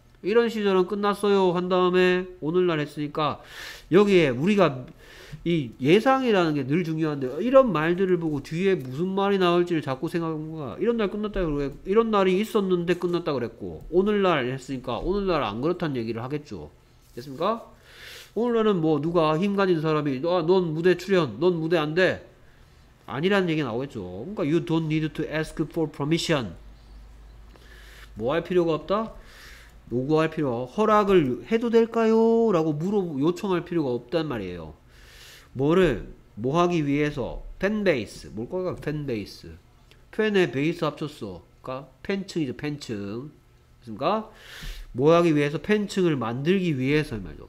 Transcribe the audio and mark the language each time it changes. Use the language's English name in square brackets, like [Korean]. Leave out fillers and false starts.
[Korean] 이런 시절은 끝났어요 한 다음에 오늘날 했으니까 여기에 우리가 이 예상이라는 게 늘 중요한데 이런 말들을 보고 뒤에 무슨 말이 나올지를 자꾸 생각한 거야. 이런 날 끝났다 그랬고 이런 날이 있었는데 끝났다 그랬고 오늘날 했으니까 오늘날 안 그렇다는 얘기를 하겠죠. 됐습니까? 오늘날은 뭐 누가 힘 가진 사람이 아, 넌 무대 출연 넌 무대 안 돼 아니라는 얘기 나오겠죠. 그러니까 [English] you don't need to ask for permission. [Korean] 뭐 할 필요가 없다? 요구할 필요 허락을 해도 될까요? 라고 요청할 필요가 없단 말이에요. 뭐를 뭐 하기 위해서 팬베이스 뭘 거야? 팬베이스 팬의 베이스 합쳤어 그러니까 팬층이죠. 팬층 됐습니까? 뭐하기 위해서 팬층을 만들기 위해서 말이죠.